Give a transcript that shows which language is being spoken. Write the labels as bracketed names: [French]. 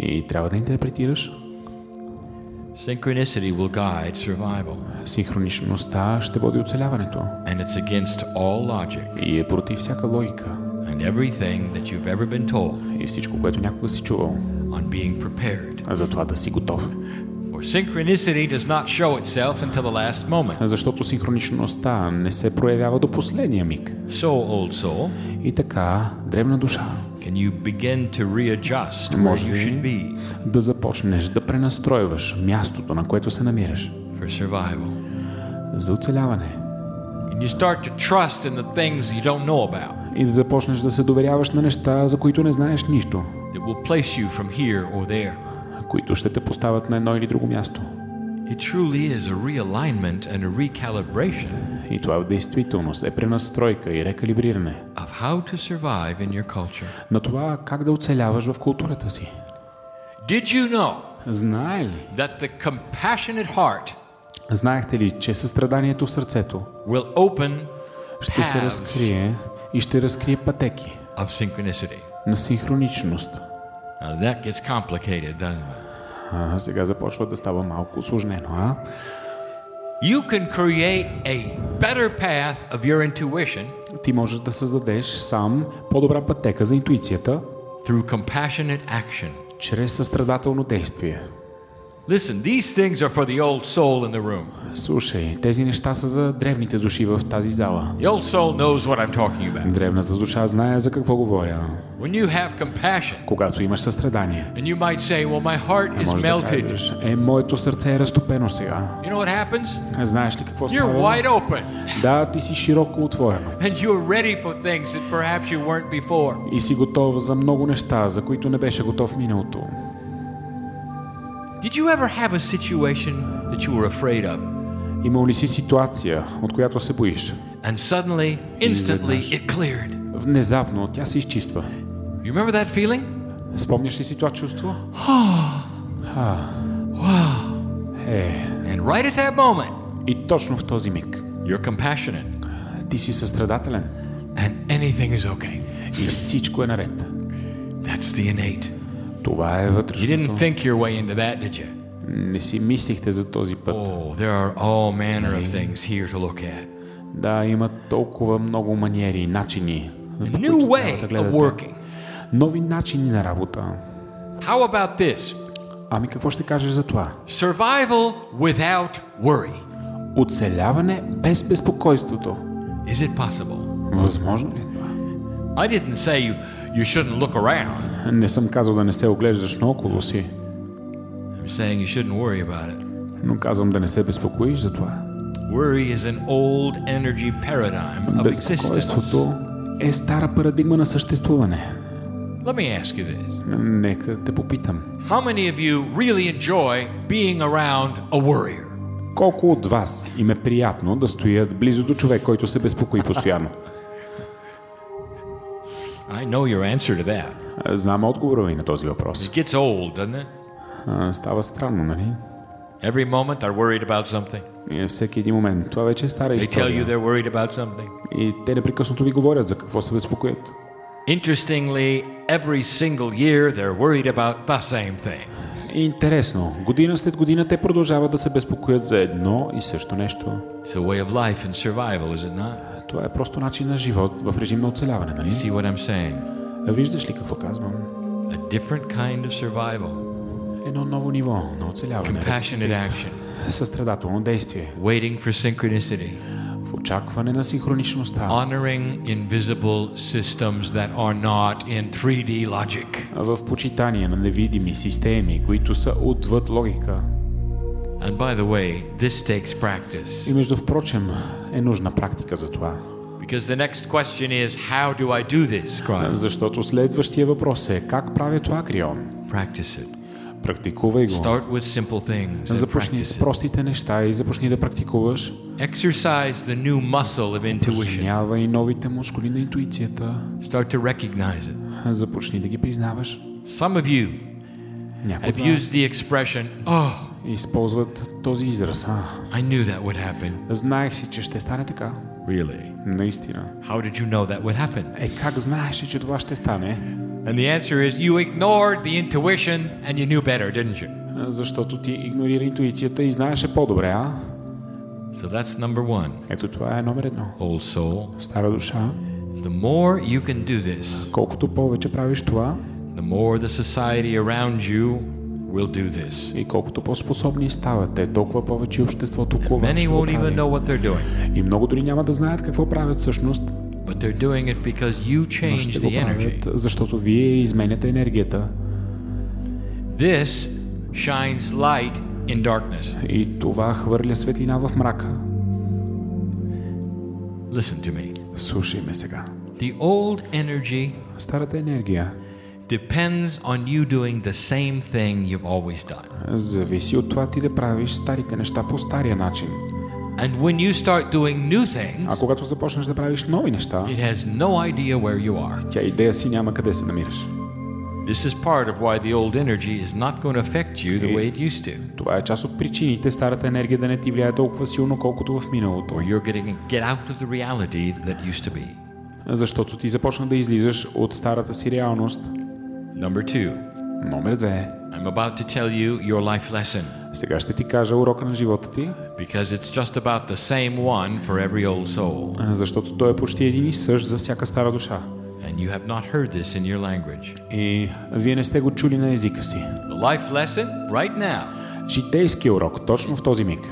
[Bulgarian] И трябва да интерпретираш. [English] Synchronicity will guide survival. [Bulgarian] Синхроничността ще води оцеляването. [English] And it's against all logic. [Bulgarian] И е против всяка логика. [English] And everything that you've ever been told. [Bulgarian] И всичко, което някога си чувал. [English] On being prepared. [Bulgarian] За това да си готов. [English] For synchronicity does not show itself until the last moment. [Bulgarian] Защото синхроничността не се проявява до последния миг. [English] So, old soul. [Bulgarian] И така, древна душа. [English] Can you begin to readjust where you should be? [Bulgarian] Да започнеш да пренастроиваш мястото, на което се намираш. [English] For survival. [Bulgarian] За оцеляване. [English] And you start to trust in the things you don't know about. [Bulgarian] И да започнеш да се доверяваш на неща, за които не знаеш нищо. [English] It will place you from here or there. [Bulgarian] Които ще те поставят на едно или друго място. [English] It truly is a realignment and a recalibration. [Bulgarian] И това в действителност е пренастройка и рекалибриране. [English] Of how to survive in your culture. [Bulgarian] На това как да оцеляваш в културата си. [English] Did you know? [Bulgarian] Знае ли? [English] That the compassionate heart. [Bulgarian] Знаехте ли, че състраданието в сърцето [English] will open [Bulgarian] ще се разкрие и ще разкрие пътеки [English] of synchronicity. [Bulgarian] На синхроничност. [English] Now that gets complicated, doesn't it? [Bulgarian] Сега започва да става малко усложнено, а? [English] You can create a better path of your intuition. [Bulgarian] Ти можеш да създадеш сам по-добра пътека за интуицията [English] through compassionate action. [Bulgarian] Чрез състрадателно действие. [English] Listen, these things are for the old soul in the room. [Bulgarian] Слушай, тези неща са за древните души в тази зала. [English] The old soul knows what I'm talking about. [Bulgarian] Древната душа знае за какво говоря. [English] When you have compassion. [Bulgarian] Когато имаш състрадание. [English] And you might say, well, my heart is melted. [Bulgarian] Е, моето сърце е разтопено сега. [English] You know what happens? [Bulgarian] Знаеш ли какво става? [English] You're wide open. [Bulgarian] Да, ти си широко отворено. [English] And you're ready for things that perhaps you weren't before. [Bulgarian] И си готов за много неща, за които не беше готов миналото. [English] Did you ever have a situation that you were afraid of? [Bulgarian] Имал ли си ситуация, от която се боиш? [English] And suddenly, instantly, it cleared. [Bulgarian] Внезапно тя се изчиства. [English] You remember that feeling? [Bulgarian] Спомняш ли си това чувство? [English] Wow. [Bulgarian] Hey. [English] And right at that moment. [Bulgarian] И точно в този миг. [English] You're compassionate. [Bulgarian] Ти си състрадателен. [English] And anything is okay. [Bulgarian] И всичко е наред. [English] That's the innate. [Bulgarian] Това е вътрешното. [English] You didn't think your way into that, did you? [Bulgarian] Не си мислихте за този път. [English] Oh, there are all manner of things here to look at. [Bulgarian] Да, има толкова много маниери, начини. [English] New way of working. [Bulgarian] Нови начини на работа. [English] How about this? [Bulgarian] Ами какво ще кажеш за това? [English] Survival without worry. [Bulgarian] Оцеляване без безпокойството. [English] Is it possible? [Bulgarian] Възможно ли е това? [English] I didn't say you shouldn't look around. [Bulgarian] Не съм казал да не се оглеждаш наоколо си. [English] I'm saying you shouldn't worry about it. [Bulgarian] Но казвам да не се безпокоиш за това. [English] Worry is an old energy paradigm of existence. [Bulgarian] Безпокойството е стара парадигма на съществуване. [English] Let me ask you this. [Bulgarian] Нека те попитам. [English] How many of you really enjoy being around a worrier? [Bulgarian] Колко от вас им е приятно да стоят близо до човек, който се безпокои постоянно? [English] I know your answer to that. [Bulgarian] Знам отговора ви на този въпрос. [English] It gets old, doesn't it? [Bulgarian] Става странно, нали? [English] Every moment they're worried about something. [Bulgarian] И всеки един момент. Това вече е стара история. [English] They tell you they're worried about something. [Bulgarian] И те непрекъснато ви говорят за какво се безпокоят. [English] Interestingly, every single year they're worried about the same thing. [Bulgarian] Интересно. Година след година те продължават да се безпокоят за едно и също нещо. [English] It's a way of life and survival, is it not? [Bulgarian] Това е просто начин на живот в режим на оцеляване, нали? [English] See what I'm saying? [Bulgarian] Виждаш ли какво казвам? [English] A different kind of survival. [Bulgarian] Едно ново ниво на оцеляване. [English] Compassionate action. [Bulgarian] Състрадателно действие. [English] Waiting for synchronicity. [Bulgarian] В очакване на синхроничността. [English] Honoring invisible systems that are not in 3D logic. [Bulgarian] В почитание на невидими системи, които са отвъд логика. [English] And by the way, this takes practice. [Bulgarian] И между впрочем, е нужна практика за това. [English] Because the next question is, how do I do this, Крайон? [Bulgarian] Защото следващия въпрос е, как правя това, Крайон? [English] Practice it. [Bulgarian] Практикувай го. [English] Start with simple things. [Bulgarian] Започни с простите неща и започни да практикуваш. [English] Exercise the new muscle of intuition. [Bulgarian] Упражнявай новите мускули на интуицията. [English] Start to recognize it. [Bulgarian] Започни да ги признаваш. [English] Some of you have used the expression, oh. [Bulgarian] Използват този израз. [English] I knew that would happen. [Bulgarian] Знаех си, че ще стане така. [English] Really? [Bulgarian] Наистина. [English] How did you know that would happen? [Bulgarian] Е, как знаеш, че това ще стане? [English] And the answer is, you ignored the intuition and you knew better, didn't you? [Bulgarian] Защото ти игнорира интуицията и знаеше по-добре, а? [English] So that's number one. [Bulgarian] Ето това е номер едно. [English] Old soul. [Bulgarian] Стара душа. [English] The more you can do this, [Bulgarian] колкото повече правиш това, [English] the more the society around you will do this. [Bulgarian] И колкото по-способни ставате, толкова повече обществото около вас ще го прави. [English] Many won't even know what they're doing. [Bulgarian] И много дори няма да знаят какво правят всъщност. [English] But they're doing it because you change the energy. [Bulgarian] Защото вие изменяте енергията. [English] This shines light in darkness. [Bulgarian] И това хвърля светлина в мрака. [English] Listen to me. [Bulgarian] Слушай ме сега. [English] The old energy. [Bulgarian] Старата енергия. [English] depends on you doing the same thing you've always done. [Bulgarian] Зависи от това ти да правиш старите неща по стария начин. [English] And when you start doing new things, [Bulgarian] а когато започнеш да правиш нови неща, [English] it has no idea where you are. [Bulgarian] Тя идея си няма къде се намираш. [English] This is part of why the old energy is not going to affect you the way it used to. [Bulgarian] Това е част от причините старата енергия да не ти влияе толкова силно колкото в миналото. [English] Or you're getting get out of the reality that used to be. [Bulgarian] Защото ти започна да излизаш от старата си реалност. [English] Number two. [Bulgarian] Номер две. [English] I'm about to tell you your life lesson. [Bulgarian] Сега ще ти кажа урока на живота ти. [English] Because it's just about the same one for every old soul. [Bulgarian] Защото той е почти един и същ за всяка стара душа. [English] And you have not heard this in your language. [Bulgarian] И вие не сте го чули на езика си. [English] The life lesson right now. [Bulgarian] Житейски урок точно в този миг.